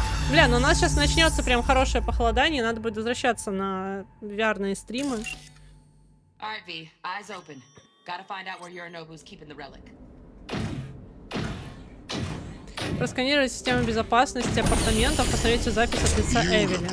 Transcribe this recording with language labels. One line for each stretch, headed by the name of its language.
Russian: Бля, ну у нас сейчас начнется прям хорошее похолодание, надо будет возвращаться на VR-ные стримы.
English: Alright, V, eyes open. Gotta find out where Yorinobu's keeping the relic.
Russian: Просканировать систему безопасности апартаментов, посмотрите запись от лица Эвелин.